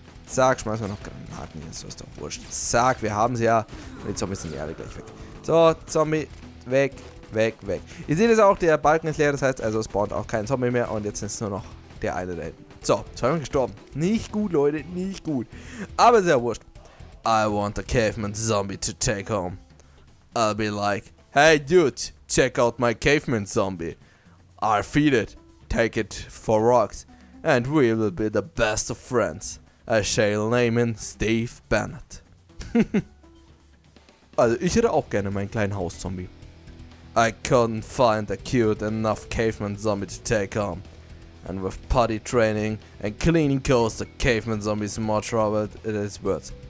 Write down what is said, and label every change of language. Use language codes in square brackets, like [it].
[de] Zack, schmeißen wir noch Granaten hier. So ist doch wurscht. Zack, wir haben sie ja. Und die Zombies sind ja alle gleich weg. So, Zombie, weg, weg, weg. Ihr seht es auch, der Balken ist leer. Das heißt, also spawnt auch kein Zombie mehr. Und jetzt ist nur noch der eine da hinten. So, zweimal gestorben. Nicht gut, Leute, nicht gut. Aber sehr wurscht. [en] I want the caveman zombie to take home. I'll be like, hey, dude, check out my caveman zombie. I feed it, take it for rocks, and we will be the best of friends. I shall name him Steve Bennett. [de] Also, ich hätte auch gerne meinen kleinen Hauszombie. [en] I couldn't find a cute enough caveman zombie to take on. And with potty training and cleaning course, the caveman zombie is more trouble than it's worth.